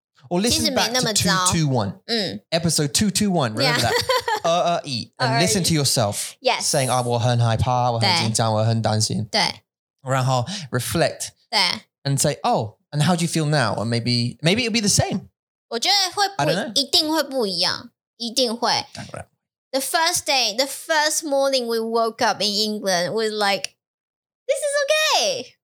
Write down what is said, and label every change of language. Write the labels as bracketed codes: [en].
[en] Or listen back to 221. Mm. Episode 221. Remember that. eat. And listen to yourself. Yes. Saying, oh, [zh] 我很害怕,我很紧张,我很担心. 对。然后 [en] reflect. [zh] 对。 [en] And say, oh, and how do you feel now? Or maybe it'll be the same. [zh] 我觉得会不一样。一定会。 [en] The first day, the first morning we woke up in England, we were like, this is okay.